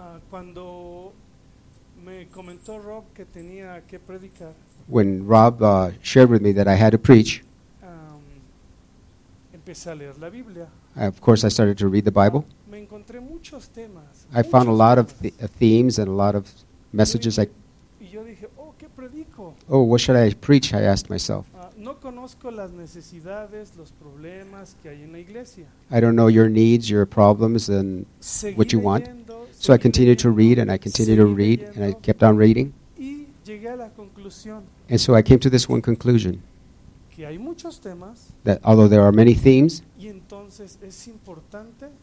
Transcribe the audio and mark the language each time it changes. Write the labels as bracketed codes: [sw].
[es] Cuando me comentó Rob que tenía que predicar, [en] when Rob shared with me that I had to preach, [es] empecé a leer la Biblia. [en] Of course, I started to read the Bible. [es] Me encontré muchos temas. [en] I found a lot of themes and a lot of messages. [es] Y yo dije, oh, ¿qué predico? [en] Oh, what should I preach? I asked myself. [es] No conozco las necesidades, los problemas que hay en la iglesia. [en] I don't know your needs, your problems, and [es] seguí [en] what you want. [es] Leyendo, [en] so I continued to read, and I continued to read, [es] leyendo, [en] and I kept on reading. [es] Y llegué a la conclusión. [en] And so I came to this one conclusion. [es] Que hay muchos temas. [en] That although there are many themes. [es] Y entonces es importante.